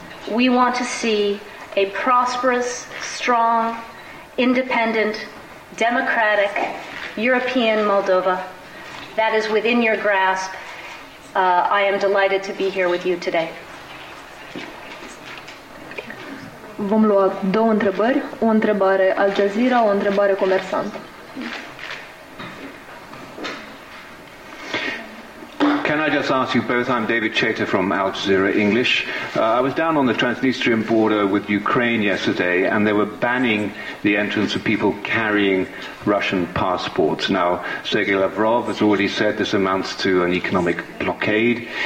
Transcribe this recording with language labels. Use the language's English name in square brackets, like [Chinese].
[English] We want to see a prosperous, strong, independent, democratic European Moldova that is within your grasp. I am delighted to be here with you today. [Romanian] Vom lua două întrebări, o întrebare Al Jazeera, o întrebare Comersant. [English] Can I just ask you both, I'm David Cheta from Al Jazeera English. I was down on the Transnistrian border with Ukraine yesterday, and they were banning the entrance of people carrying Russian passports. Now, Sergei Lavrov has already said this amounts to an economic blockade.